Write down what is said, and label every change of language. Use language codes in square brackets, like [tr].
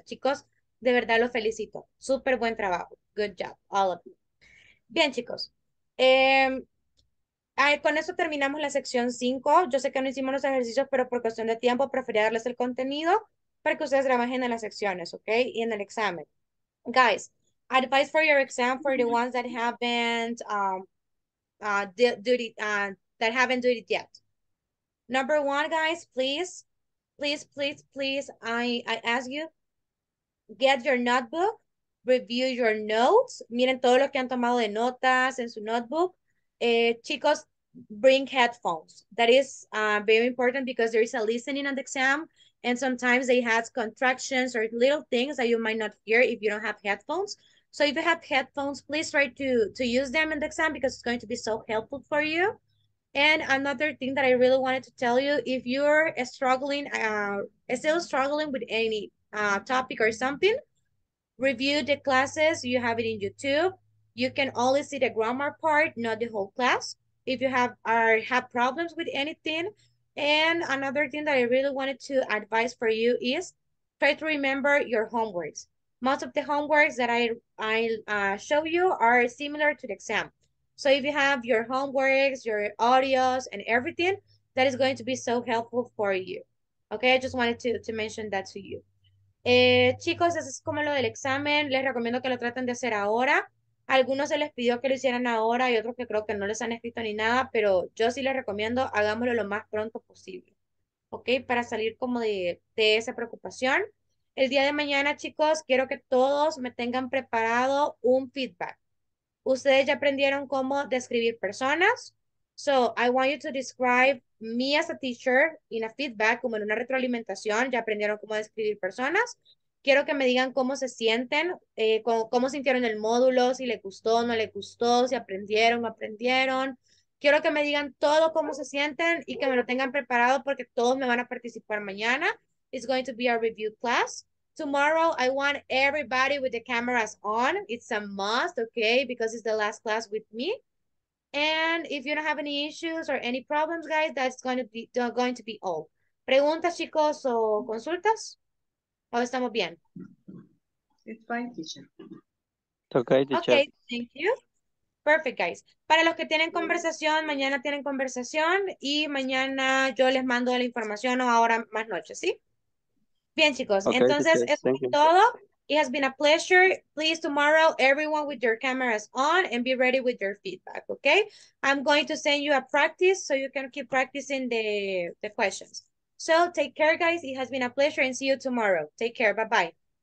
[es] Chicos, de verdad los felicito. Súper buen trabajo. [en] Good job, all of you. [es] Bien, chicos. Con eso terminamos la sección 5. Yo sé que no hicimos los ejercicios, pero por cuestión de tiempo preferí darles el contenido para que ustedes trabajen en las secciones, ¿ok? Y en el examen. [en] Guys, advice for your exam for the ones that haven't done it yet. Number one, guys, please, please, please, please, I ask you, get your notebook, review your notes. [es] Miren todo lo que han tomado de notas en su notebook. [en] Chicos, bring headphones. That is very important because there is a listening on the exam and sometimes they have contractions or little things that you might not hear if you don't have headphones. So if you have headphones, please try to use them in the exam because it's going to be so helpful for you. And another thing that I really wanted to tell you, if you're still struggling with any topic or something, review the classes. You have it in YouTube. You can only see the grammar part, not the whole class, if you have problems with anything. And another thing that I really wanted to advise for you is try to remember your homeworks. Most of the homeworks that I show you are similar to the exam. So if you have your homeworks, your audios, and everything, that is going to be so helpful for you. Okay, I just wanted to mention that to you. [es] Chicos, eso es como lo del examen. Les recomiendo que lo traten de hacer ahora. Algunos se les pidió que lo hicieran ahora y otros que creo que no les han escrito ni nada, pero yo sí les recomiendo, hagámoslo lo más pronto posible. Okay, para salir como de esa preocupación. El día de mañana, chicos, quiero que todos me tengan preparado un feedback. Ustedes ya aprendieron cómo describir personas. [en] So, I want you to describe me as a teacher in a feedback, [es] como en una retroalimentación. Ya aprendieron cómo describir personas. Quiero que me digan cómo se sienten, cómo sintieron el módulo, si les gustó, no les gustó, si aprendieron, no aprendieron. Quiero que me digan todo cómo se sienten y que me lo tengan preparado porque todos me van a participar mañana. [en] It's going to be a review class. Tomorrow, I want everybody with the cameras on. It's a must, okay? Because it's the last class with me. And if you don't have any issues or any problems, guys, that's going to be all. [es] ¿Preguntas, chicos, o consultas? ¿O estamos bien? [en] It's fine, teacher. Okay, teacher. Okay, thank you. Perfect, guys. [es] Para los que tienen conversación, mañana tienen conversación y mañana yo les mando la información o ahora más noche, ¿sí? Bien, chicos. Okay, entonces, eso es todo. [en] It has been a pleasure. Please, tomorrow, everyone with your cameras on and be ready with your feedback, okay? I'm going to send you a practice so you can keep practicing the questions. So, take care, guys. It has been a pleasure and see you tomorrow. Take care. Bye-bye.